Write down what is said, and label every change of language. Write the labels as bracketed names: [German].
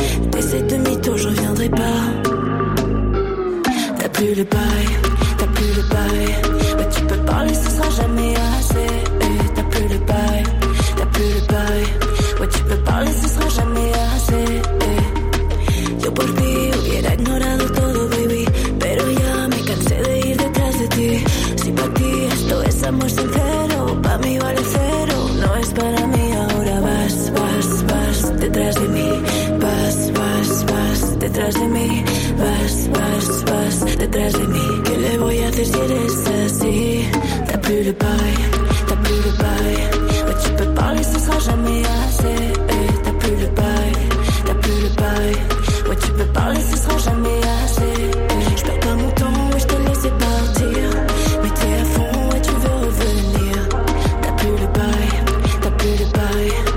[French] T'es cette demi-tour, je reviendrai pas. T'as plus le bail, t'as plus le bail. Bah tu peux parler, ce sera jamais assez. T'as plus le bail, t'as plus le bail. Ouais, tu peux parler, ce sera jamais assez. [Spanish] Yo por ti hubiera ignorado todo, baby, pero ya me cansé de ir detrás de ti. Si pa' ti esto es amor sincero, pa' mí vale cero, no es para mí. Ahora vas, vas, vas detrás de mí. Vas, vas, vas detrás de mí. Vas, vas, vas detrás de mí. ¿Qué le voy a hacer si eres así? [French] T'as plus le bail, t'as plus le bail. Tu peux parler, ce sera jamais assez. T'as plus le bail, t'as plus le bail. Ouais, tu peux parler, ce sera jamais assez. Je perds pas mon temps, ouais, je te laissais partir. Mais t'es à fond, ouais, tu veux revenir. T'as plus le bail, t'as plus le bail.